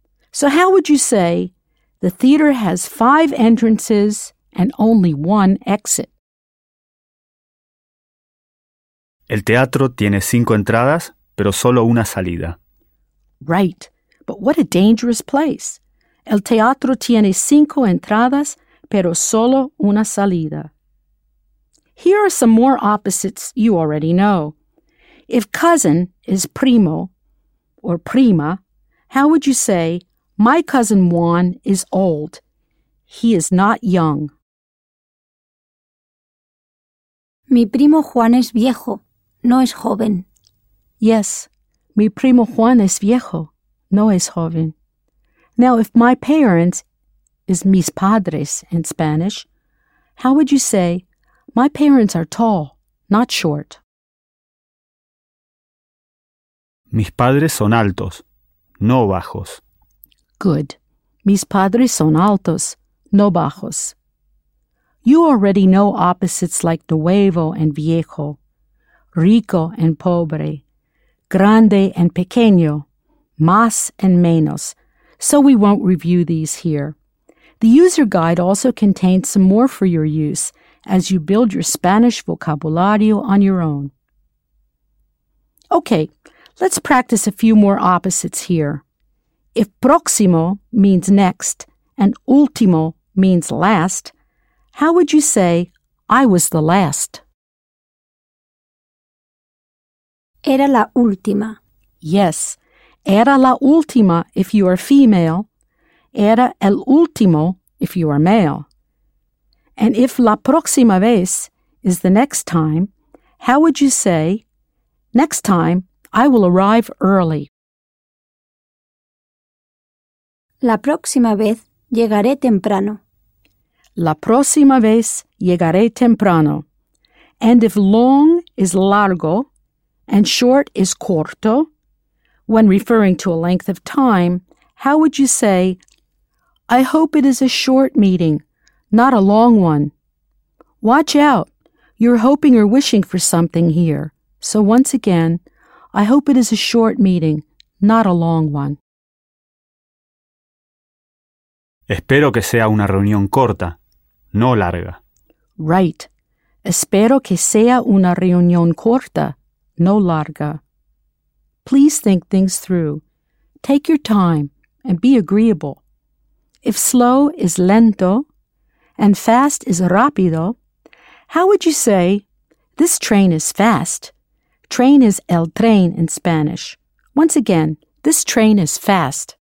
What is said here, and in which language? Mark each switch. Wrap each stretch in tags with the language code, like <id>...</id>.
<en>So how would you say, the theater has 5 entrances and only 1 exit?</en> <es>El teatro tiene 5 entradas, pero solo una salida.</es> <en>Right, but what a dangerous place.</en> <es>El teatro tiene 5 entradas, pero solo una salida.</es> <en>Here are some more opposites you already know. If cousin is primo or prima, how would you say, my cousin Juan is old. He is not young.</en> <es>Mi primo Juan es viejo, no es joven. Yes, mi primo Juan es viejo, no es joven.</es> <en>Now, if my parents is mis padres in Spanish, how would you say, my parents are tall, not short?</en> <es>Mis padres son altos, no bajos.</es> <en>Good.</en> <es>Mis padres son altos, no bajos.</es> <en>You already know opposites like nuevo and viejo, rico and pobre, grande and pequeño, más and menos. So we won't review these here. The user guide also contains some more for your use as you build your Spanish vocabulario on your own. Okay, let's practice a few more opposites here. If próximo means next and último means last, how would you say, I was the last?</en> <es>Era la última.</es> <en>Yes.</en> <es>Era la última</es> <en>if you are female.</en> <es>Era el último</es> <en>if you are male. And if la próxima vez is the next time, how would you say, next time I will arrive early?</en> <es>La próxima vez llegaré temprano. La próxima vez llegaré temprano.</es> <en>And if long is largo and short is corto, when referring to a length of time, how would you say, I hope it is a short meeting, not a long one? Watch out. You're hoping or wishing for something here. So once again, I hope it is a short meeting, not a long one.</en> <es>Espero que sea una reunión corta, no larga.</es> <en>Right.</en> <es>Espero que sea una reunión corta, no larga.</es> <en>Please think things through. Take your time and be agreeable. If slow is lento and fast is rápido, how would you say, this train is fast? Train is el tren in Spanish. Once again, this train is fast.</en>